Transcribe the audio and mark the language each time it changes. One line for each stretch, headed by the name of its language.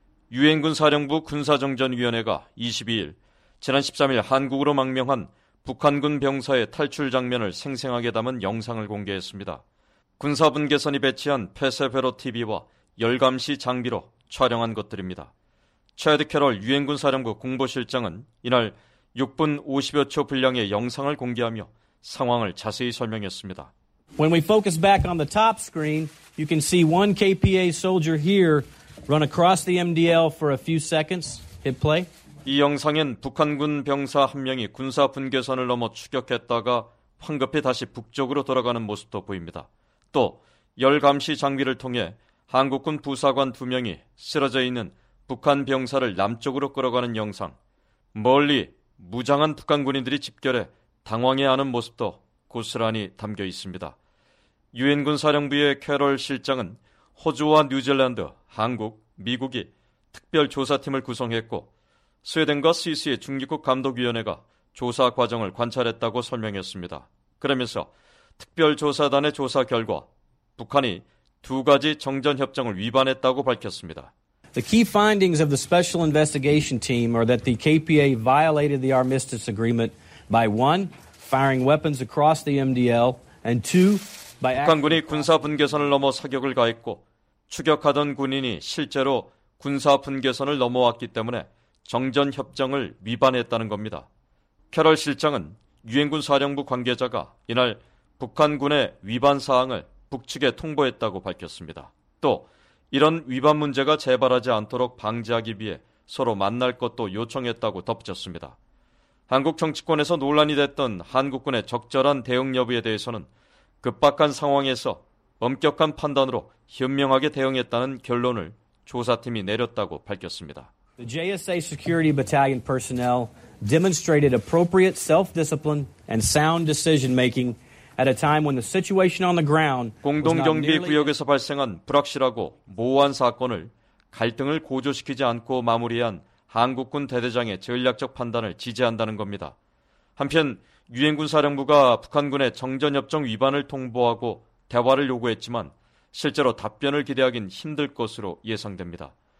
Korean: 유엔군 사령부 군사정전위원회가 22일 지난 13일 한국으로 망명한 북한군 병사의 탈출 장면을 생생하게 담은 영상을 공개했습니다. 군사분계선이 배치한 페세페로 TV와 열감시 장비로 촬영한 것들입니다. 채드 캐럴 유엔군 사령부 공보실장은 이날 6분 50여 초 분량의 영상을 공개하며 상황을 자세히 설명했습니다.
English: When we focus back on the top screen, you can see one KPA soldier here run across the MDL for a few seconds. Hit play.
Korean: 이 영상엔 북한군 병사 한 명이 군사 분계선을 넘어 추격했다가 황급히 다시 북쪽으로 돌아가는 모습도 보입니다. 또 열 감시 장비를 통해 한국군 부사관 두 명이 쓰러져 있는 북한 병사를 남쪽으로 끌어가는 영상. 멀리 무장한 북한 군인들이 집결해 당황해하는 모습도 고스란히 담겨 있습니다. 유엔군 사령부의 캐럴 실장은 호주와 뉴질랜드, 한국, 미국이 특별조사팀을 구성했고 스웨덴과 스위스의 중립국 감독위원회가 조사 과정을 관찰했다고 설명했습니다. 그러면서 특별조사단의 조사 결과 북한이 두 가지 정전협정을 위반했다고 밝혔습니다.
English: The key findings of the special investigation team are that the KPA violated the armistice agreement by one, firing weapons across the MDL, and two, by
Korean: 북한군이 군사 분계선을 넘어 사격을 가했고 추격하던 군인이 실제로 군사 분계선을 넘어왔기 때문에 정전 협정을 위반했다는 겁니다. 캐럴 실장은 유엔군 사령부 관계자가 이날 북한군의 위반 사항을 북측에 통보했다고 밝혔습니다. 또 이런 위반 문제가 재발하지 않도록 방지하기 위해 서로 만날 것도 요청했다고 덧붙였습니다. 한국 정치권에서 논란이 됐던 한국군의 적절한 대응 여부에 대해서는 급박한 상황에서 엄격한 판단으로 현명하게 대응했다는 결론을 조사팀이 내렸다고 밝혔습니다.
English: The JSA Security Battalion personnel demonstrated appropriate self-discipline and sound decision-making at a time when the situation on the ground
Korean: 공동경비구역에서 발생한 불확실하고 모호한 사건을 갈등을 고조시키지 않고 마무리한 한국군 대대장의 전략적 판단을 지지한다는 겁니다. 한편 유엔군 사령부가 북한군의 정전협정 위반을 통보하고 대화를 요구했지만 실제로 답변을 기대하긴 힘들 것으로 예상됩니다.